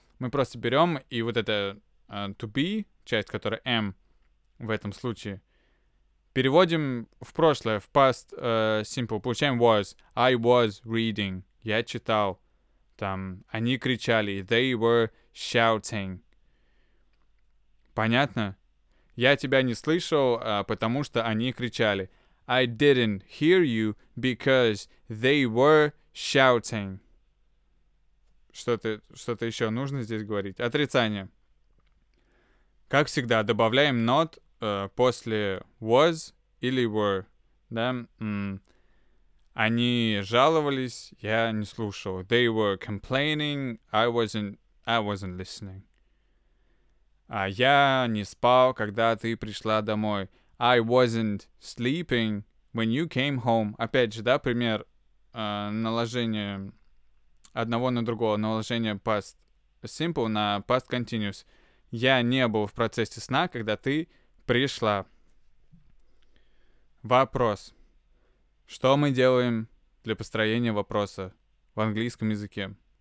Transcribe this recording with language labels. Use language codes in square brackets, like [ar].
[ru] Мы просто берем и вот это to be, часть, которая am в этом случае, переводим в прошлое, в past simple. Получаем was. [en] I was reading. [ru] Я читал. Там, они кричали. [en] They were shouting. [ru] Понятно? Я тебя не слышал, потому что они кричали. [en] I didn't hear you because they were shouting. [ru] Что-то еще нужно здесь говорить? Отрицание. Как всегда, добавляем not после was или were. Да? Они жаловались, я не слушал. [en] They were complaining, I wasn't listening. [ru] А я не спал, когда ты пришла домой. [en] I wasn't sleeping when you came home. [ru] Опять же, да, пример наложения одного на другого, наложение past simple на past continuous. Я не был в процессе сна, когда ты пришла. Вопрос. Что мы делаем для построения вопроса в английском языке?